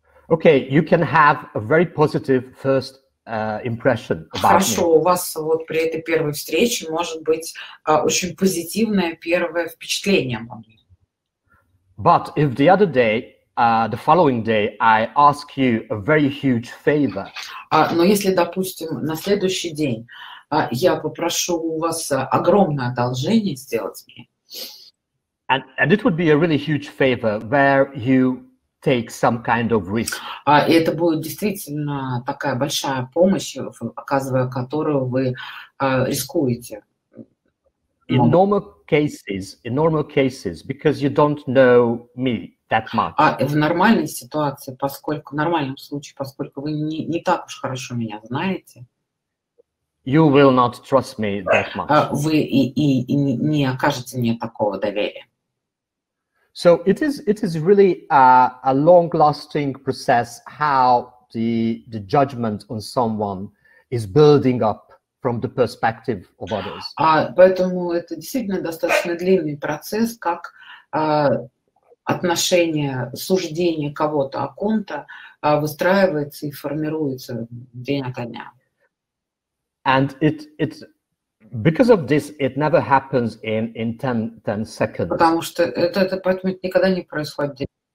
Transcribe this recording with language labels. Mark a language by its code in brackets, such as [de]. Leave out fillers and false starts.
[en] Okay, you can have a very positive first impression about me. [ru] Хорошо, у вас вот при этой первой встрече может быть очень позитивное первое впечатление обо мне. [en] But if the other day the following day I ask you a very huge favor. [ru] Но если, допустим, на следующий день я попрошу у вас огромное одолжение сделать мне. [en] And it would be a really huge favor where you take some kind of risk. [ru] И это будет действительно такая большая помощь, оказывая которую вы рискуете. [en] In normal cases, because you don't know me that much. [ru] В нормальной ситуации, поскольку в нормальном случае, поскольку вы не так уж хорошо меня знаете. [en] You will not trust me that much. [ru] Вы и не окажете мне такого доверия. [en] So it is really a long-lasting process how the judgment on someone is building up from the perspective of others. [ru] Поэтому это действительно достаточно длинный процесс, как отношение, суждение кого-то о ком-то выстраивается и формируется день ото дня. [en] And it's because of this, it never happens in 10 seconds. [ru] Потому что это поэтому никогда не происходит.